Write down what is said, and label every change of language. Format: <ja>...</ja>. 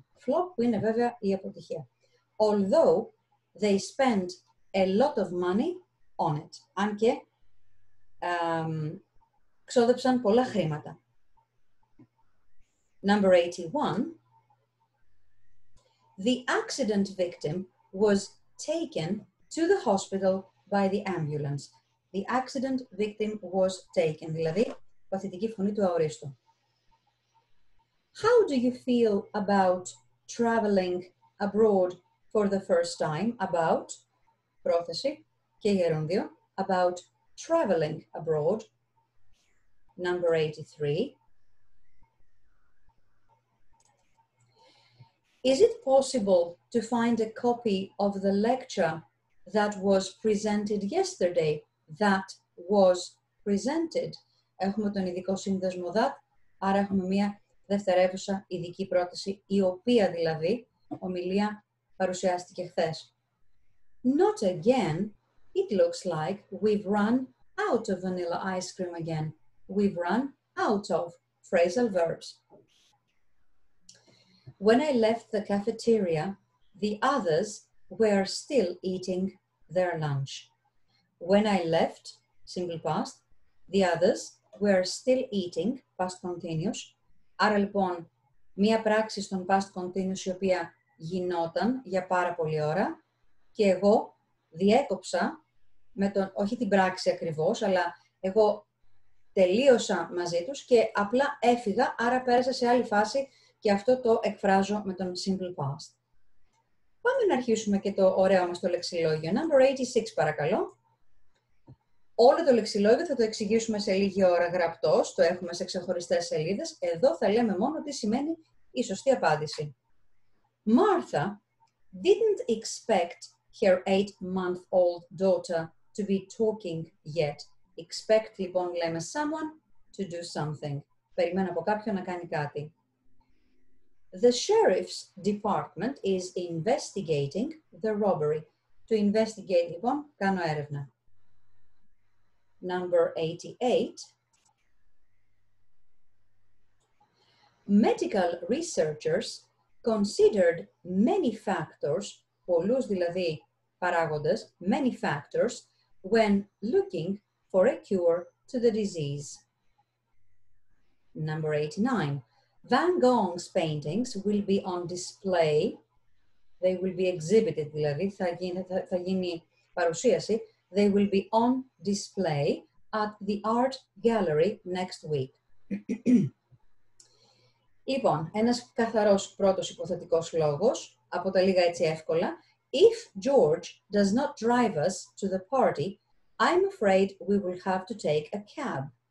<el>Flop είναι βέβαια η αποτυχία.</el> <en>Although they spent a lot of money on it.</en> <el>Αν και ξόδεψαν πολλά χρήματα.</el> <en>Number 81. The accident victim was taken to the hospital by the ambulance. The accident victim was taken.</en> <el>Δηλαδή, παθητική φωνή του αορίστου.</el> <en>How do you feel about traveling abroad for the first time? About,</en> <el>πρόθεση, και γερούνδιο,</el> <en>about traveling abroad. Number 83. Is it possible to find a copy of the lecture that was presented yesterday? That was presented.</en> <el>Έχουμε τον ειδικό σύνδεσμο that, άρα έχουμε μία δευτερεύουσα ειδική πρόταση, η οποία δηλαδή ομιλία παρουσιάστηκε χθες.</el> <en>Not again. It looks like we've run out of vanilla ice cream again. We've run out of phrasal verbs. When I left the cafeteria, the others were still eating their lunch. When I left, simple past, the others were still eating, past continuous.</en> <el>Άρα λοιπόν, μία πράξη στον past continuous η οποία γινόταν για πάρα πολλή ώρα και εγώ διέκοψα με τον, όχι την πράξη ακριβώς, αλλά εγώ τελείωσα μαζί τους και απλά έφυγα, άρα πέρασα σε άλλη φάση. Και αυτό το εκφράζω με τον simple past. Πάμε να αρχίσουμε και το ωραίο μας το λεξιλόγιο.</el> <en>Number 86,</en> <el>παρακαλώ. Όλο το λεξιλόγιο θα το εξηγήσουμε σε λίγη ώρα γραπτός. Το έχουμε σε ξεχωριστές σελίδες. Εδώ θα λέμε μόνο τι σημαίνει η σωστή απάντηση.</el> <en>Martha didn't expect her 8-month-old daughter to be talking yet. Expect,</en> <el>λοιπόν, λέμε</el> <en>someone to do something.</en> <el>Περιμένω από κάποιον να κάνει κάτι.</el> <en>The sheriff's department is investigating the robbery. To investigate,</en> <el>λοιπόν, κάνω έρευνα.</el> <en>Number 88. Medical researchers considered many factors,</en> <el>πολλούς δηλαδή παράγοντες,</el> <en>many factors, when looking for a cure to the disease. Number 89. Van Gogh's paintings will be on display They will be exhibited,</en> <el>δηλαδή θα γίνει παρουσίαση.</el> <en>They will be on display at the art gallery next week.</en> <el>Λοιπόν, ένας καθαρός πρώτος υποθετικός λόγος, από τα λίγα έτσι εύκολα.</el> <en>If George does not drive us to the party, I'm afraid we will have to take a cab.</en>